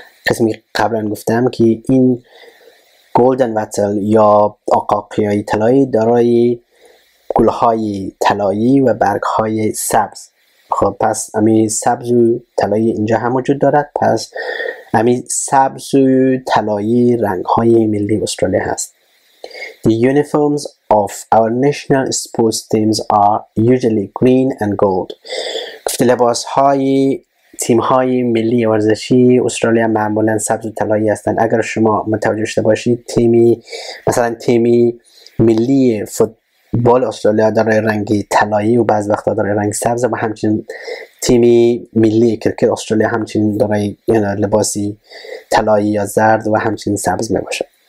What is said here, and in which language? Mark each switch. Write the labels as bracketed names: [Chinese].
[Persian] قسمی قبلا گفتم که این گلدن وتل یا آقاقی های طلایی دارای گل های طلایی و برگ های سبز. خب پس امی سبز و طلایی اینجا هم وجود دارد، پس امی سبز و طلایی رنگ های ملی استرالیا هست. [English] The uniforms of our national sports teams are usually green and gold. [Persian] گفته لباس های تیم های ملی ورزشی استرالیا معمولا سبز و طلایی هستند. اگر شما متوجه شده باشید تیمی مثلا تیمی ملی فوتبال استرالیا داره رنگی طلایی و بعض وقتا داره رنگ سبز و همچنین تیمی ملی کرکت استرالیا همچنین داره یعنی لباسی طلایی یا زرد و همچنین سبز می باشه.